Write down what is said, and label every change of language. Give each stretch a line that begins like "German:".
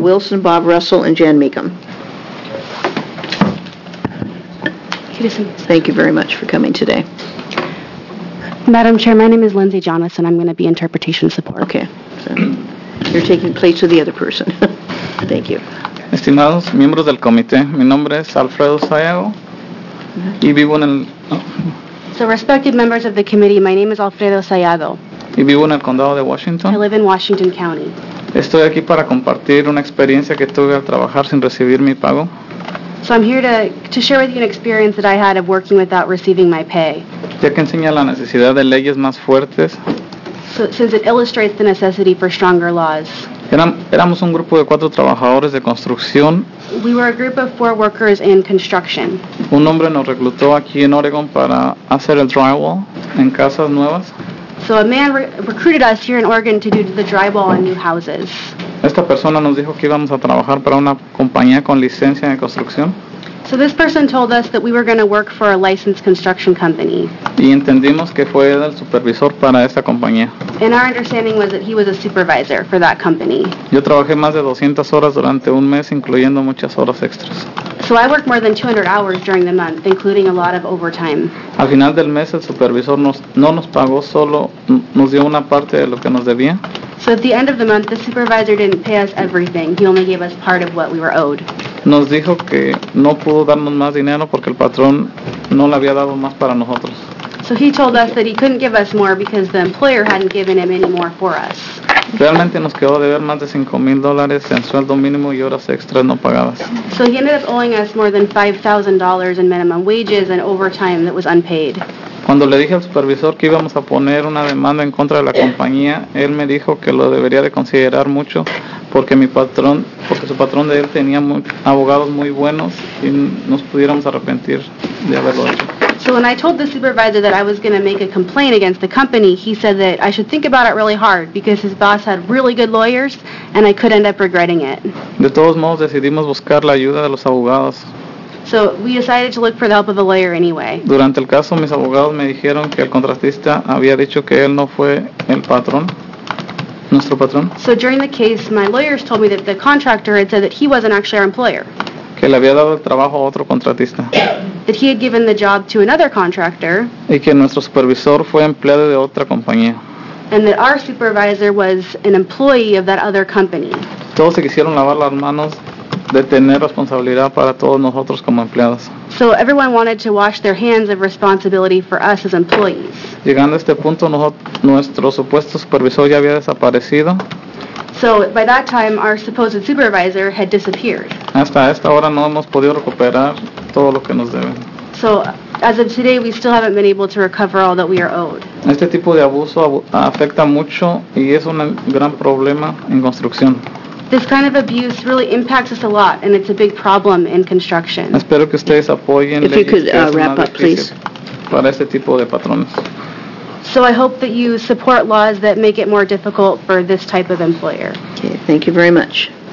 English: Wilson, Bob Russell, and Jan Meekum. Thank you very much for coming today. Madam Chair, my name is Lindsay Jonas, and I'm going to be interpretation support. Okay. So you're taking place of the other person. Thank you.
Spanish: Estimados miembros del comité, mi nombre es Alfredo Sayago, y vivo en el...
English: So, respected members of the committee, my name is Alfredo Sayago.
Spanish: Y vivo en el condado de Washington.
English: I live in Washington County.
Spanish: Estoy aquí para compartir una experiencia que tuve al trabajar sin recibir mi pago.
English: So, I'm here to share with you an experience that I had of working without receiving my pay.
Spanish: Ya que enseña la necesidad de leyes más fuertes.
English: So, since it illustrates the necessity for stronger laws.
Spanish: Éramos un grupo de cuatro trabajadores de construcción.
English: We were a group of four workers in construction.
Spanish: Un hombre nos reclutó aquí en Oregon para hacer el drywall en casas nuevas.
English: So a man recruited us here in Oregon to do the drywall on new houses.
Spanish: Esta persona nos dijo que íbamos a trabajar para una compañía con licencia de construcción.
English: So this person told us that we were going to work for a licensed construction company.
Spanish: Y entendimos que fue el supervisor para esta compañía.
English: And our understanding was that he was a supervisor for that company.
Spanish: Yo trabajé más de 200 horas durante un mes, incluyendo muchas horas extras.
English: So I worked more than 200 hours during the month, including a lot of overtime.
Spanish: Al final del mes, el supervisor no nos pagó, solo nos dio una parte de lo que nos debía.
English: So at the end of the month, the supervisor didn't pay us everything. He only gave us part of what we were owed.
Spanish: Nos dijo que no pudo darnos más dinero porque el patrón no le había dado más para nosotros.
English: So he told us that he couldn't give us more because the employer hadn't given him any more for us.
Spanish: Realmente nos quedó de ver más de $5,000 en sueldo mínimo y horas extras no pagadas.
English: So he ended up owing us more than $5,000 in minimum wages and overtime that was unpaid.
Spanish: Cuando le dije al supervisor que íbamos a poner una demanda en contra de la compañía, él me dijo que lo debería de considerar mucho porque mi patrón, porque su patrón de él tenía abogados muy buenos y nos pudiéramos arrepentir de haberlo hecho.
English: So when I told the supervisor that I was going to make a complaint against the company, he said that I should think about it really hard because his boss had really good lawyers and I could end up regretting it.
Spanish: De todos modos, decidimos buscar la ayuda de los abogados.
English: So we decided to look for the help of a lawyer anyway.
Spanish: Durante el caso, mis abogados me dijeron que el contratista había dicho que él no fue el patrón, nuestro patrón.
English: So during the case, my lawyers told me that the contractor had said that he wasn't actually our employer.
Spanish: Que le había dado el trabajo a otro contratista.
English: That he had given the job to another contractor.
Spanish: Y que nuestro supervisor fue empleado de otra compañía.
English: And that our supervisor was an employee of that other company.
Spanish: Todos se quisieron lavar las manos de tener responsabilidad para todos nosotros como empleados.
English: So everyone wanted to wash their hands of responsibility for us as employees.
Spanish: Llegando a este punto, nuestro supuesto supervisor ya había desaparecido.
English: So by that time, our supposed supervisor had disappeared.
Spanish: Hasta esta hora no hemos podido recuperar todo lo que nos deben.
English: So as of today, we still haven't been able to recover all that we are owed.
Spanish: Este tipo de abuso afecta mucho y es un gran problema en construcción.
English: This kind of abuse really impacts us a lot, and it's a big problem in construction.
Spanish: Espero que ustedes apoyen.
English: If you could wrap up, please.
Spanish: Para este tipo de patrones.
English: So I hope that you support laws that make it more difficult for this type of employer. Okay, thank you very much.